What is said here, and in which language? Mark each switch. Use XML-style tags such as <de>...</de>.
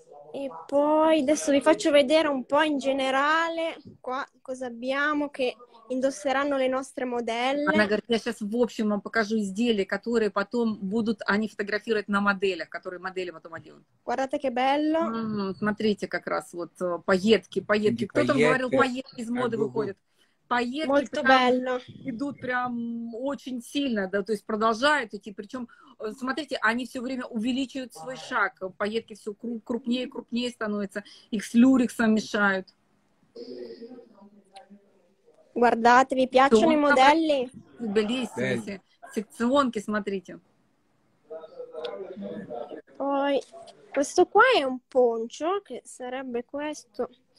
<it>E poi adesso vi faccio vedere un po' in generale qua cosa abbiamo che indosseranno le nostre modelle.</it> <ru>Anna,</ru> <it>guarda, io</it> <ru>сейчас в общем вам покажу изделия, которые потом будут они фотографировать на моделях, которые модели потом оденут.</ru> <it>Guardate che bello.</it> <ru>Смотрите, как раз вот пайетки. Кто там говорил, пайетки из моды выходят? Поездки</ru> <it>Molto прям bello.</it> <ru>Идут прям очень сильно, да, то есть продолжают идти, причем, смотрите, они все время увеличивают свой шаг, поездки все крупнее и крупнее становятся, их с люрексом мешают.</ru> <it>Guardate, vi piacciono i modelli? Bellissimi,</it> <ru>секционки, смотрите.</ru> <it>Poi, questo qua è un poncho, che sarebbe questo.</it>